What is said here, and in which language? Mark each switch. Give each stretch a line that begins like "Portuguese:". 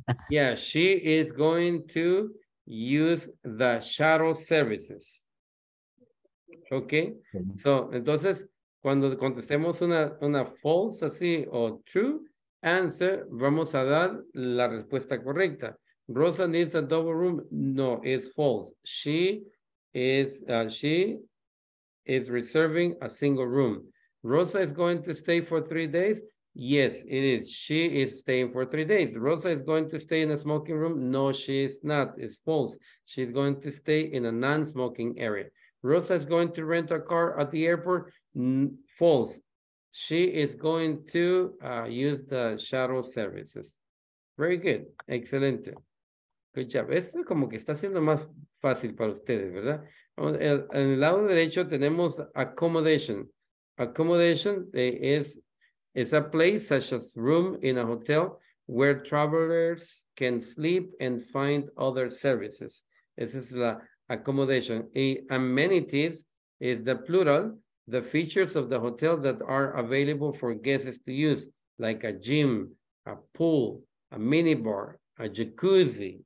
English: Yeah, she is going to use the shuttle services.
Spanish: Okay, so entonces cuando contestemos una false así o true answer, vamos a dar la respuesta correcta.
English: Rosa needs a double room. No, it's false. She is reserving a single room. Rosa is going to stay for 3 days. Yes, it is. She is staying for 3 days. Rosa is going to stay in a smoking room. No, she is not. It's false. She's going to stay in a non-smoking area. Rosa is going to rent a car at the airport. False. She is going to use the shuttle services. Very good.
Spanish: Excelente.
English: Good job.
Spanish: Esto como que está siendo más fácil para ustedes, ¿verdad? En el lado derecho tenemos accommodation.
English: Accommodation is a place such as room in a hotel where travelers can sleep and find other services.
Spanish: Esa es la accommodation. Y
English: amenities is the plural, the features of the hotel that are available for guests to use, like a gym, a pool, a minibar, a jacuzzi.